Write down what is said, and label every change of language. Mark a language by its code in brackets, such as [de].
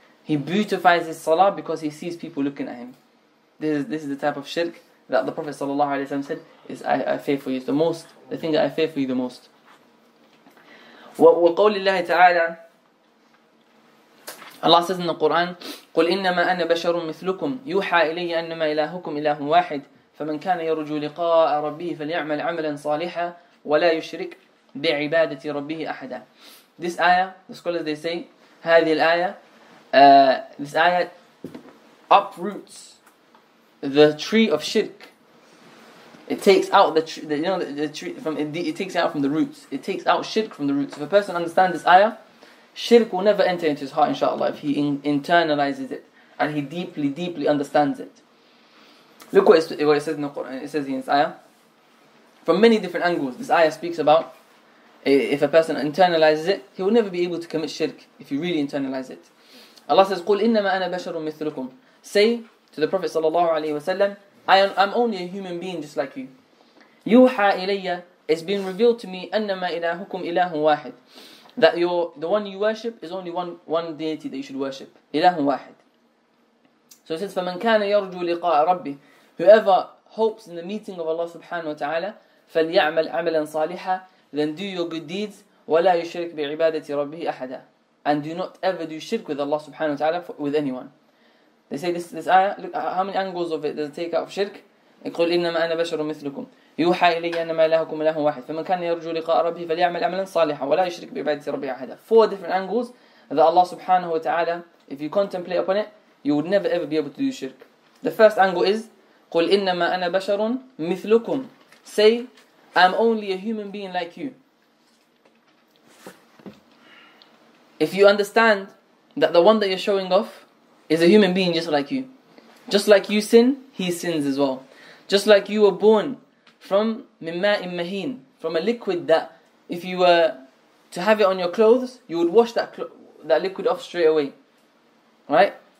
[en] He beautifies his salah because he sees people looking at him. This is the type of shirk that the Prophet sallallahu alaihi wasallam said is I fear for you the most. The thing that I fear for you the most. [ar] وقول الله تعالى, [en] Allah says in the Quran, [ar] قل إنما أنا بشر مثلكم يوحى إلي أنما إلهكم إله واحد فمن كان يرجو لقاء ربه فليعمل عملا صالحا ولا يشرك بعبادة ربه أحدا. [en] This ayah, the scholars they say, [ar] هذه الآية, [en] this ayah uproots the tree of shirk. It takes out the tree from the roots. It takes out shirk from the roots. If a person understands this ayah, shirk will never enter into his heart, inshallah, if he internalizes it and he deeply, deeply understands it. Look what it says in the Quran. It says in this ayah, from many different angles, this ayah speaks about, if a person internalizes it, he will never be able to commit shirk if you really internalize it. [ar] Allah says, قُلْ إِنَّمَا أَنَا بَشَرٌ مِثْلُكُمْ. [en] Say to the Prophet sallallahu alaihi wasallam, I'm only a human being just like you. [ar] Yuha ilayya, [en] it's been revealed to me, [ar] annama ilahukum ilahun wahid, [en] that the one you worship is only one deity that you should worship, [ar] ilahun wahid. [en] So it says, [ar] faman kana yarju liqa'a rabbi, [en] whoever hopes in the meeting of Allah subhanahu wa ta'ala, [ar] falyamal amalan saliha, [en] then do your good deeds, [ar] wala yushrik bi ibadati rabbihi ahada, [en] and do not ever do shirk with Allah subhanahu wa ta'ala with anyone. They say this ayah, look how many angles of it does it take out of shirk? [ar] يقول إنما أنا بشر مثلكم يوحى إلي أنما إلهكم إله واحد فمن كان يرجو لقاء ربه فليعمل عملا صالحا ولا يشرك بعبادة ربه أحدا. [en] Four different angles that Allah subhanahu wa ta'ala, if you contemplate upon it, you would never ever be able to do shirk. The first angle is, [ar] قل إنما أنا بشر مثلكم. [en] Say, I'm only a human being like you. If you understand that the one that you're showing off is a human being just like you. Just like you sin, he sins as well. Just like you were born from [ar] مِمَّاءٍ مَهِينٍ, [en] from a liquid that if you were to have it on your clothes, you would wash that liquid off straight away. Right?